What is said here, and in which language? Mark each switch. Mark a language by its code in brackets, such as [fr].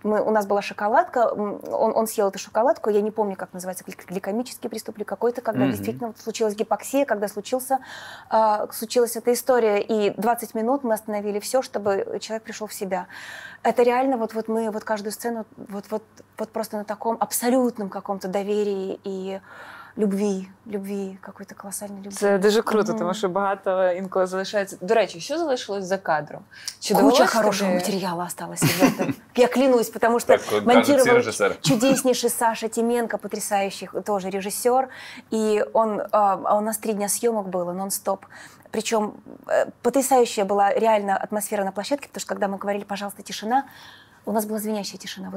[ru] У нас была шоколадка, он съел эту шоколадку, я не помню, как называется, гликемический приступ или какой-то, когда действительно случилась гипоксия, когда случилась эта история. И 20 минут мы остановили все, чтобы человек пришел в себя. Это реально, вот мы вот каждую сцену вот просто на таком абсолютном каком-то доверии и любви, любви, какой-то колосальной любви. [uk] Це дуже круто, тому що багато інколи залишається. До речі, що залишилось за кадром? Чи куча хорошого матеріалу осталось. [ru] Я клянусь, потому что монтировал чудеснейший Саша Тименко, потрясающий тоже режиссер. И он, а у нас 3 дня съемок было, нон-стоп. Причем потрясающая была реально атмосфера на площадке, потому что когда мы говорили «пожалуйста, тишина», у нас была звенящая тишина.